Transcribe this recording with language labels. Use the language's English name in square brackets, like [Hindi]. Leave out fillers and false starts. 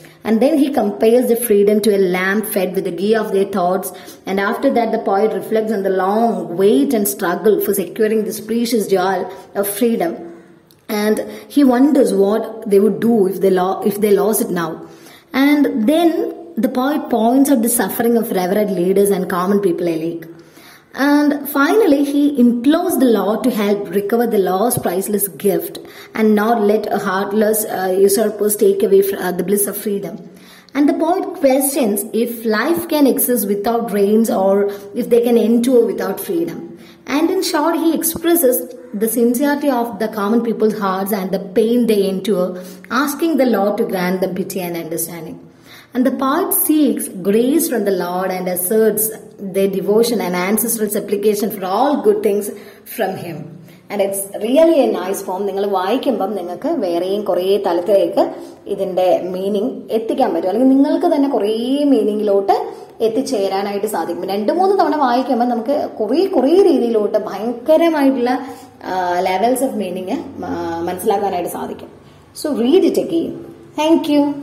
[English] And then he compares the freedom to a lamp fed with the ghee of their thoughts. And after that the poet reflects on the long wait and struggle for securing this precious jewel of freedom. And he wonders what they would do if they lose it now. And then the poet points out the suffering of revered leaders and common people alike, and finally he implores the Lord to help recover the lost priceless gift and not let a heartless usurper take away the bliss of freedom. And the poet questions if life can exist without rains or if they can endure without freedom. And in short, he expresses the sincerity of the common people's hearts and the pain they endure, asking the Lord to grant them pity and understanding. And the poet seeks grace from the Lord and asserts their devotion and ancestral supplication for all good things from him. And it's really a nice form. [Malayalam] നിങ്ങള് വായിക്കുമ്പം നിങ്ങൾക്ക് വേറെയും കുറേ തലത്തിലേക്ക് ഇതിന്റെ meaning എത്തിക്കാൻ പറ്റും, അല്ലെങ്കിൽ നിങ്ങൾക്ക് തന്നെ കുറേ മീനിങ്ങിലോട്ട് എത്തിച്ചേരാനായിട്ട് സാധിക്കും. രണ്ടു മൂന്ന് തവണ വായിക്കുമ്പോൾ നമുക്ക് കുറേ രീതിയിലോട്ട് ഭയങ്കരമായിട്ടുള്ള ലെവൽസ് ഓഫ് മീനിങ് മനസ്സിലാക്കാനായിട്ട് സാധിക്കും. [English] So read it again. Thank you.